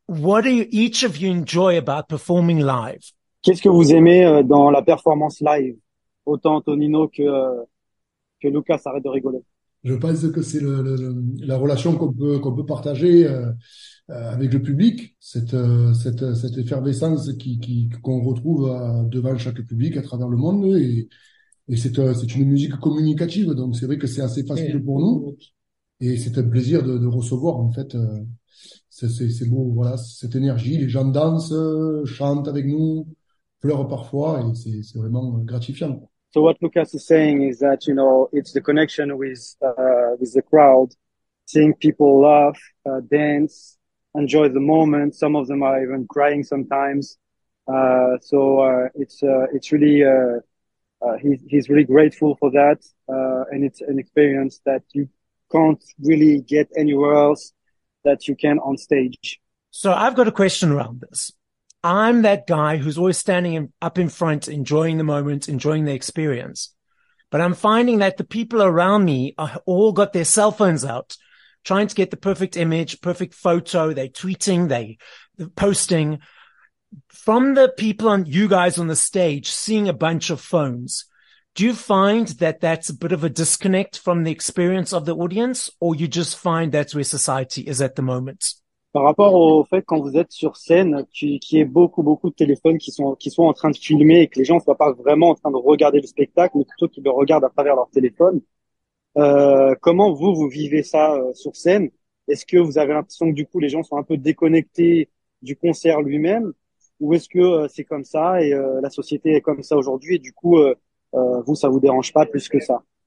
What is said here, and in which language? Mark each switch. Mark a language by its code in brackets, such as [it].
[en] What do you, each of you enjoy about performing live? [fr] Qu'est-ce que vous aimez dans la performance live, autant Tonino que Lucas arrête de rigoler. Je pense que c'est la relation qu'on peut partager avec le public, cette effervescence qu'on retrouve devant chaque public à travers le monde, et c'est une musique communicative, donc c'est vrai que c'est assez facile pour nous. Et c'est un plaisir de recevoir, en fait, c'est beau, voilà, cette énergie. Les gens dansent, chantent avec nous, pleurent parfois, et c'est vraiment gratifiant. [en] So what Lucas is saying is that, you know, it's the connection with the crowd, seeing people laugh, dance, enjoy the moment. Some of them are even crying sometimes. He's really grateful for that, and it's an experience that you can't really get anywhere else that you can on stage. So I've got a question around this. I'm that guy who's always standing up in front, enjoying the moment, enjoying the experience. But I'm finding that the people around me are all got their cell phones out, trying to get the perfect image, perfect photo. They're tweeting, they're posting. From the people on you guys on the stage, seeing a bunch of phones, do you find that that's a bit of a disconnect from the experience of the audience, or you just find that's where society is at the moment? [fr] Par rapport au fait quand vous êtes sur scène, qui est beaucoup beaucoup de téléphones qui sont en train de filmer et que les gens soient pas vraiment en train de regarder le spectacle, mais plutôt qu'ils le regardent à travers leur téléphone, comment vous vivez ça sur scène? Est-ce que vous avez l'impression que du coup les gens sont un peu déconnectés du concert lui-même, ou est-ce que c'est comme ça et la société est comme ça aujourd'hui et du coup vous, ça vous dérange pas plus que ça?